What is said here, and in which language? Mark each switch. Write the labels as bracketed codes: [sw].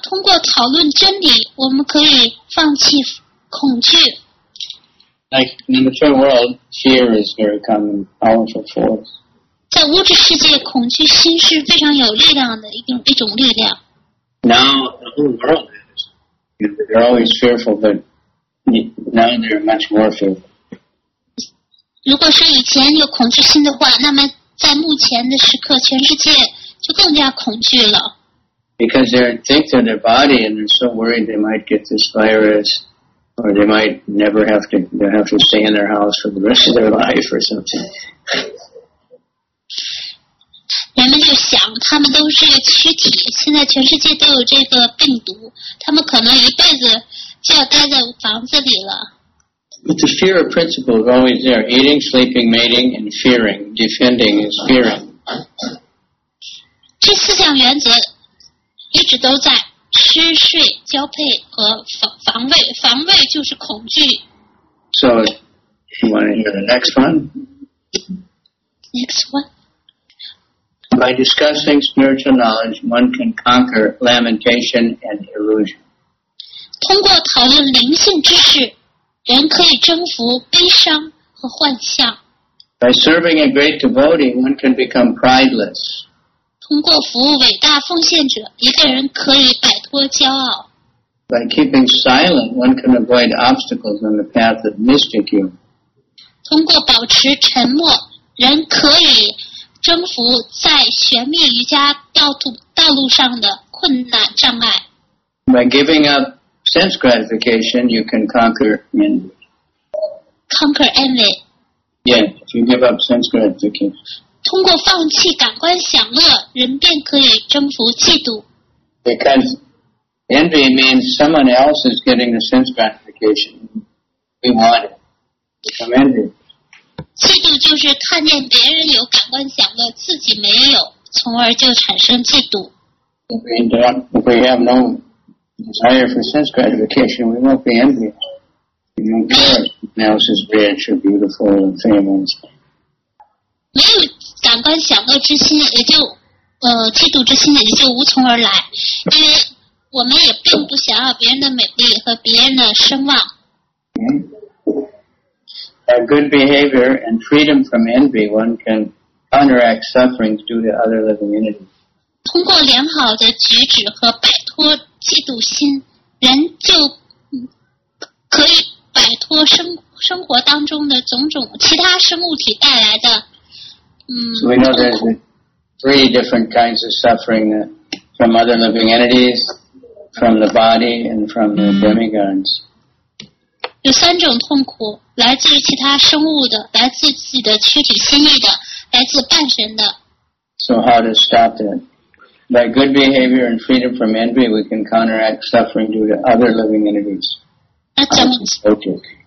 [zh] 通过讨论真理，我们可以放弃恐惧。 [en] Like in the material world, fear is very common, powerful force. [zh] 在物质世界，恐惧心是非常有力量的一种力量。 [en] Now the whole world is. They're always fearful, but now they're much more fearful. [zh] 如果说以前有恐惧心的话，那么在目前的时刻，全世界就更加恐惧了。 [en] Because they think of their body and they're so worried they might get this virus, or they might never have to, they have to stay in their house for the rest of their life or something. [zh] 人们就想，他们都是躯体，现在全世界都有这个病毒，他们可能一辈子就要待在房子里了。 [en] But the fear of principle is always there. Eating, sleeping, mating, and fearing. Defending is fearing. [zh] 这四项原则一直都在吃、睡、交配和防卫。防卫就是恐惧。 [en] So, you want to hear the next one? Next one. By discussing spiritual knowledge, one can conquer lamentation and illusion. [zh] 通过讨论灵性知识人可以征服悲伤和幻象。 [en] By serving a great devotee, one can become prideless. [zh] 通过服务伟大奉献者，一个人可以摆脱骄傲。 [en] By keeping silent, one can avoid obstacles on the path of mystic union. [zh] 通过保持沉默，人可以征服在玄秘瑜伽道路上的困难障碍。 [en] By giving upSense gratification, you can conquer envy. Conquer envy. Yeah, if you give up sense gratification. [zh] 通过放弃感官享乐，人便可以征服嫉妒。 [en] Because envy means someone else is getting the sense gratification we want. Become envy. [zh] 嫉妒就是看见别人有感官享乐，自己没有，从而就产生嫉妒。 [en] If we have no. Desire for sense gratification, we won't be envious. We don't care if someone else is rich or beautiful and famous. [zh] 没有感官享乐之心，也就嫉妒之心也就无从而来，因为我们也并不想要别人的美丽和别人的声望。 [en] By good behavior and freedom from envy, one can counteract suffering due to other living entities. [zh] 通过良好的举止和摆脱嫉妒心，人就可以摆脱生活当中的种种其他生物体带来的 [en] So we know there's three different kinds of suffering from other living entities, from the body, and from the demigods. [zh] 有三种痛苦，来自其他生物的，来自自己的躯体心意的，来自半神的。 [en] So how to stop that? By good behavior and freedom from envy, we can counteract suffering due to other living entities. [zh] 那怎么？